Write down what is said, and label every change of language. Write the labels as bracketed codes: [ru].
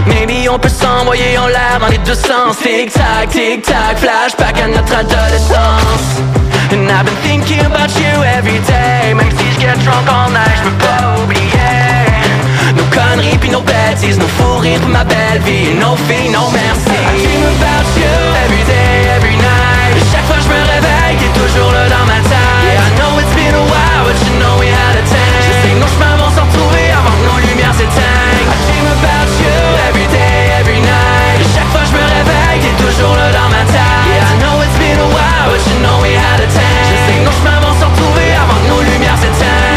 [fr] Maybe on peut s'envoyer en l'air dans les deux sens. Tic-tac, tic-tac, flashback à notre adolescence. [en] And I've been thinking about you every day. [fr] Même si je [en] get drunk all night, [fr] j'peux pas oublier nos conneries pis nos bêtises, nos fous rires pour ma belle vie. Et nos filles, non merci. [en] I dream about you every day, every night. [fr] Et chaque fois j'me réveille, t'es toujours là dans ma tête. [en] Yeah, I know it's been a while, but you know we had a time. [fr] Nos chemins vont s'en trouver avant que nos lumières s'éteignent. [en] I dream about you every day, every night. [fr] Et chaque fois je me réveille, t'es toujours là dans ma tête. [en] Yeah, I know it's been a while, but you know we had a time. [fr] Je sais que nos chemins vont s'en trouver avant que nos lumières s'éteignent.